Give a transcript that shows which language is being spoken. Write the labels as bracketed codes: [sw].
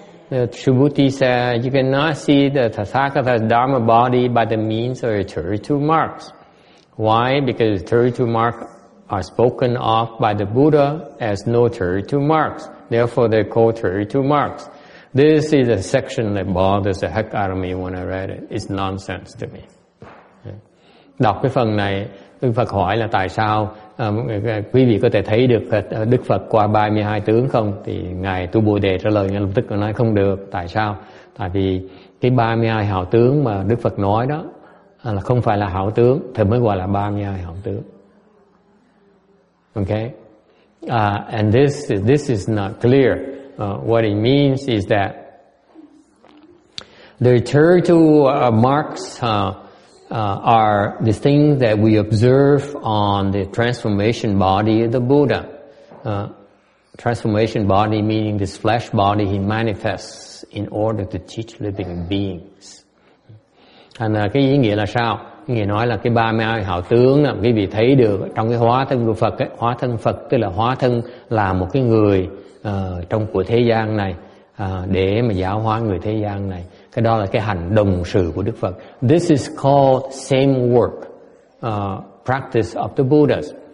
[en] The Subhuti says, you cannot see the Tathagata's Dharma body by the means of the 32 marks. Why? Because the 32 marks are spoken of by the Buddha as no 32 marks. Therefore, they're called 32 marks. This is a section that bothers the heck out of me when I read it. It's nonsense to me. [vi] Đọc cái phần này, Đức Phật hỏi là tại sao quý vị có thể thấy được Đức Phật qua 32 tướng không? Thì Ngài Tu Bồ Đề trả lời ngay lập tức là nói không được. Tại sao? Tại vì cái 32 hảo tướng mà Đức Phật nói đó là không phải là hảo tướng, thì mới gọi là 32 hảo tướng. [en] Okay? And this is not clear. What it means is that the 32 marks are the things that we observe on the transformation body of the Buddha. Transformation body meaning this flesh body he manifests in order to teach living beings. [vi] And cái ý nghĩa là sao? Nghĩa nói là cái 32 hảo tướng là quý vị thấy được trong cái hóa thân của Phật. Hóa thân Phật tức là hóa thân là một cái người trong của thế gian này để mà giáo hóa người thế gian này. Cái đó là cái hành đồng sự của Đức Phật. [en] This is called same work practice of the Buddhas.